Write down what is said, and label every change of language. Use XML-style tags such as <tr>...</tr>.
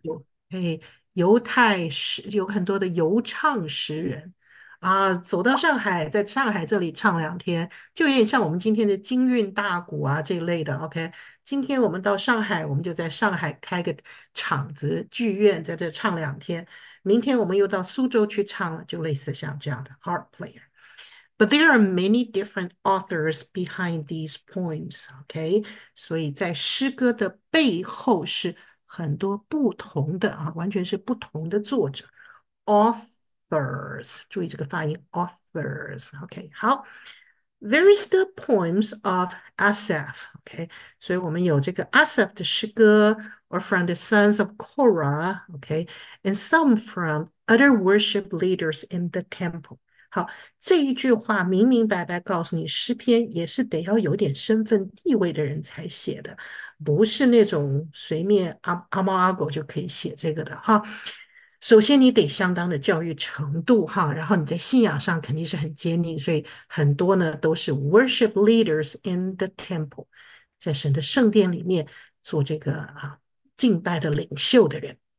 <zh>多犹太诗，有很多的犹唱诗人啊，走到上海，在上海这里唱2天，就有点像我们今天的京韵大鼓啊这一类的。 OK，今天我们到上海，我们就在上海开个场子，剧院在这唱2天。明天我们又到苏州去唱了，就类似像这样的 harp player。</zh> <en>But there are many different authors behind these poems, okay?</en> <zh>所以在诗歌的背后是很多不同的啊，完全是不同的作者 authors。注意这个发音 authors, okay?</zh> <en>好，there is the poems of Asaph, okay?</en> <zh>所以我们有这个 Asaph 的诗歌。</zh> <en>Or from the sons of Korah, okay, and some from other worship leaders in the temple.</en> <zh>好，这一句话明明白白告诉你，诗篇也是得要有点身份地位的人才写的，不是那种随便阿猫阿狗就可以写这个的哈。首先，你得相当的教育程度哈，然后你在信仰上肯定是很坚定，所以很多呢都是</zh> <en>worship leaders in the temple，</en> <zh>在神的圣殿里面做这个啊。敬拜的领袖的人</zh>